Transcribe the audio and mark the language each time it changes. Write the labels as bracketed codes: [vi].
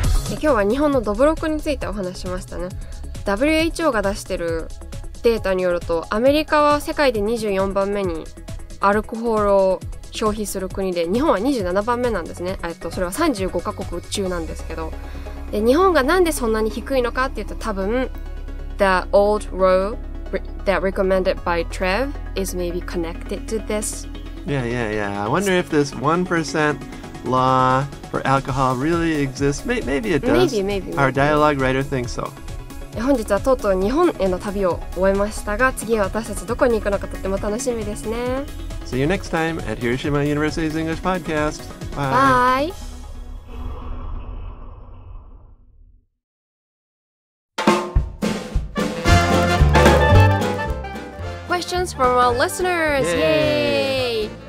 [ja] 今日は日本のどぶろくについてお話しましたね。WHO が出してるデータによると、アメリカは世界で24番目にアルコールを消費する国で、日本は27番目なんですね。それは35カ国中なんですけど、で、日本がなんでそんなに低いのかっていうと、多分 [en] The old rule that recommended by Trev is maybe connected to this. Yeah, yeah, yeah. I wonder if this 1%law for alcohol really exists. Maybe it does. Maybe. Our dialogue writer thinks so. [ja] 本日はとうとう日本への旅を終えましたが、次は私たちどこに行くのかとっても楽しみですね。 [en] See you next time at Hiroshima University's English Podcast. Bye. Bye. Questions from our listeners. Yay!